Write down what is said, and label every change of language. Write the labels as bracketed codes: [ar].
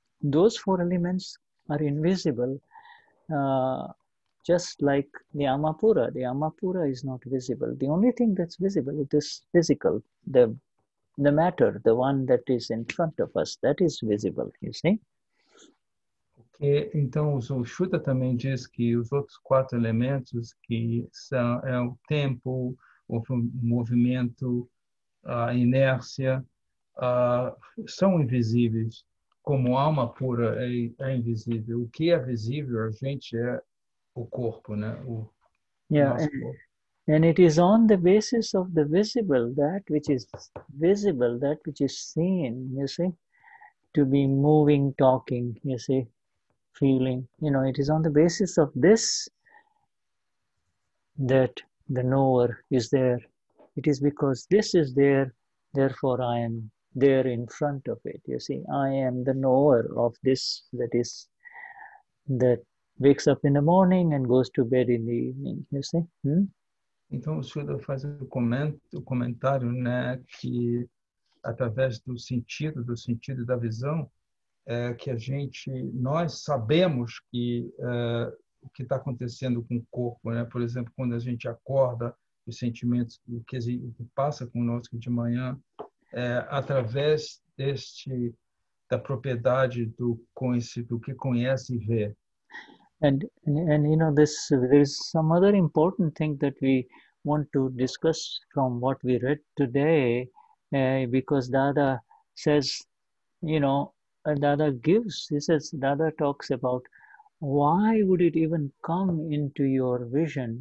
[en] Those four elements are invisible, just like the Amapura. The Amapura is not visible. The only thing that's visible is this physical, the matter, the one that is in front of us, that is visible, you see? [pt] Okay, então o Shuddha também diz que os outros quatro elementos, que são o tempo, o movimento, a inércia, são invisíveis. Como a alma pura é invisível, o que é visível a gente é o corpo, né? O nosso corpo. [en] And it is on the basis of the visible, that which is visible, that which is seen, you see, to be moving, talking, you see, feeling. You know, it is on the basis of this that the knower is there. It is because this is there, therefore I am there in front of it. You see, I am the knower of this that wakes up in the morning and goes to bed in the evening, you see. [pt] Então, o Shuddha faz o comentário, né, que através do sentido da visão, é que nós sabemos que o que está acontecendo com o corpo, né? Por exemplo, quando a gente acorda, os sentimentos, o que passa conosco de manhã, através da propriedade do que conhece e vê. [en] And you know, there's some other important thing that we want to discuss from what we read today, because Dada says, you know, Dada gives, he says, Dada talks about why would it even come into your vision?